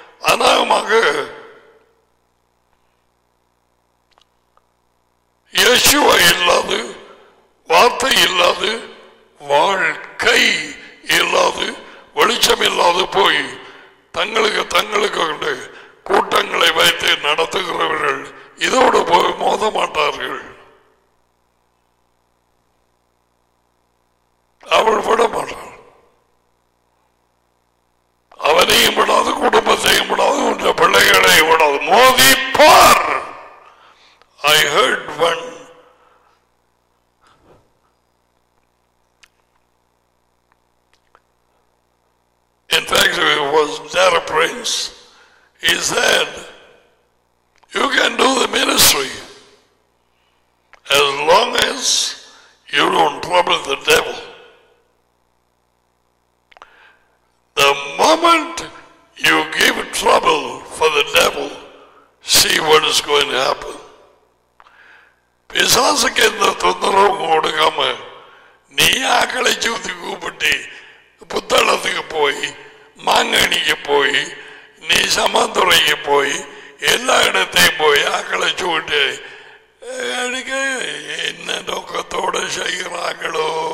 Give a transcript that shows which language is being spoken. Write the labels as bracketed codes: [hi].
[ta] அநாகமாக யேசுவா இல்லாது, வார்த்தை இல்லாது, வாழ்க்கை இல்லாது, வெளிச்சம் இல்லாது போய் தங்களுக்கு கொண்டு கூட்டங்களை வைத்து நடத்துகிறவர்கள் இதோடு போய் மோத மாட்டார்கள். அவள் விட மாட்டாள். அவனையும் விடாது, குடும்பத்தையும் விடாது, உன் பிள்ளைகளையும் விடாது, மோதிப்பார். [en] I heard one in fact it was Dara Prince, he said you can do the ministry as long as you don't trouble the devil. The moment you give trouble for the devil, see what is going to happen. [ta] பிசாசுக்கு எந்த தொந்தரவும் கொடுக்காம நீ ஆக்களை சூத்தி கூப்பிட்டு புத்தளத்துக்கு போய் மாங்கனிக்கு போய் நீ சமாந்துறைக்கு போய் எல்லா இடத்தையும் போய் ஆக்களை சூட்டு எனக்கு என்ன நோக்கத்தோட செய்கிறார்களோ.